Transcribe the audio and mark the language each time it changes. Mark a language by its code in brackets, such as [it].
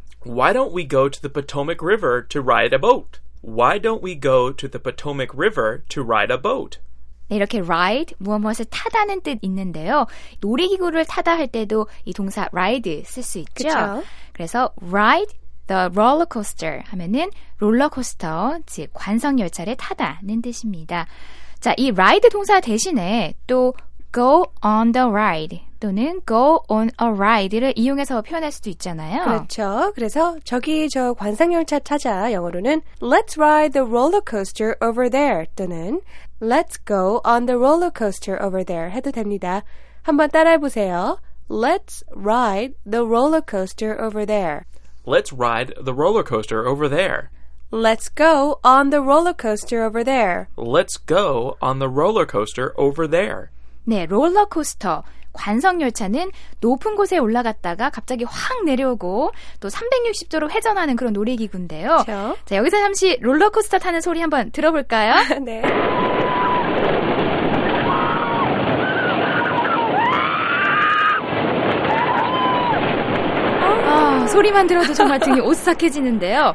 [en] Why don't we go to the Potomac River to ride a boat? Why don't we go to the Potomac River to ride a boat? [ko] 네, 이렇게 ride, 무엇무엇을 타다는 뜻 있는데요. 놀이기구를 타다 할 때도 이 동사 ride 쓸 수 있죠. 그쵸? 그래서 ride the roller coaster 하면은 롤러코스터, 즉 관성열차를 타다는 뜻입니다. 자, 이 ride 동사 대신에 또 go on the ride 또는 go on a ride 를 이용해서 표현할 수도 있잖아요. [en] 그렇죠. 그래서 저기 저 관상열차 타자 영어로는 Let's ride the roller coaster over there 또는 Let's go on the roller coaster over there 해도 됩니다. 한번 따라해보세요. Let's ride the roller coaster over there. Let's ride the roller coaster over there. Let's go on the roller coaster over there. Let's go on the roller coaster over there. [ko] 네, 롤러코스터. 관성열차는 높은 곳에 올라갔다가 갑자기 확 내려오고 또 360도로 회전하는 그런 놀이기구인데요. 그렇죠. 자, 여기서 잠시 롤러코스터 타는 소리 한번 들어볼까요? 네. 아, 소리만 들어도 정말 등이 오싹해지는데요.